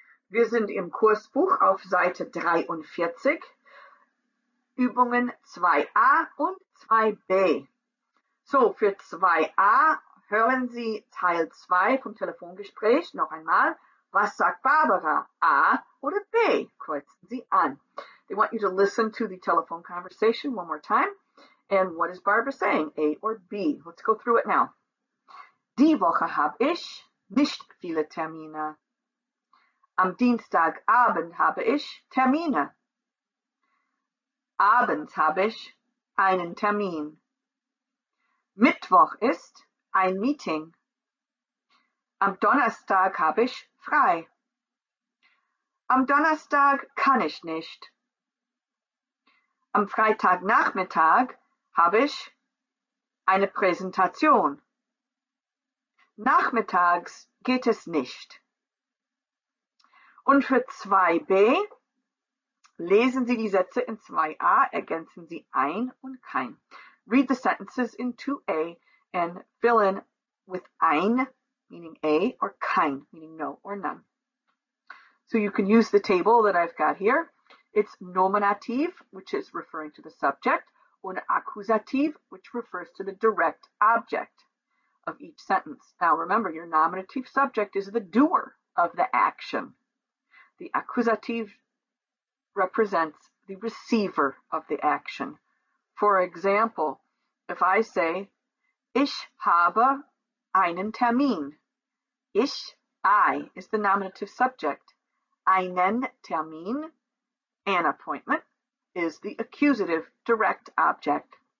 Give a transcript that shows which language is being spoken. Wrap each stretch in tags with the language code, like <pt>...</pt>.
<de>Wir sind im Kursbuch auf Seite 43, Übungen 2a und 2b. So, für 2a hören Sie Teil 2 vom Telefongespräch noch einmal. Was sagt Barbara? A oder B? Kreuzen Sie an.</de> <en>They want you to listen to the telephone conversation one more time. And what is Barbara saying? A or B? Let's go through it now.</en> <de>Die Woche habe ich nicht viele Termine. Am Dienstagabend habe ich Termine. Abends habe ich einen Termin. Mittwoch ist ein Meeting. Am Donnerstag habe ich frei. Am Donnerstag kann ich nicht. Am Freitagnachmittag habe ich eine Präsentation. Nachmittags geht es nicht. Und für 2b lesen Sie die Sätze in 2a, ergänzen Sie ein und kein.</de> <en>Read the sentences in 2a and fill in with ein, meaning a, or kein, meaning no or none. So you can use the table that I've got here. It's nominative, which is referring to the subject, und accusative, which refers to the direct object of each sentence. Now remember, your nominative subject is the doer of the action. The accusative represents the receiver of the action. For example, if I say,</en> <de>ich habe einen Termin.</de> <en>Ich, I, is the nominative subject. Einen Termin, an appointment, is the accusative direct object.</en>